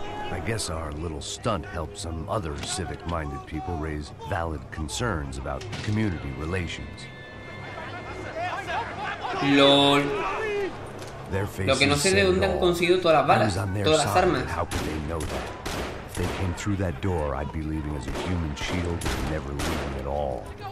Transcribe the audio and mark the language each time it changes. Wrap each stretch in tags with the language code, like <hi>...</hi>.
<en>I guess our little stunt helped some other civic-minded people raise valid concerns about community relations. LOL.</en> <es>Lo que no sé de dónde han conseguido todas las balas, todas las armas.</es> <en>How could they know that? If they came through that door, I'd be leaving as a human shield and never leaving at all.</en>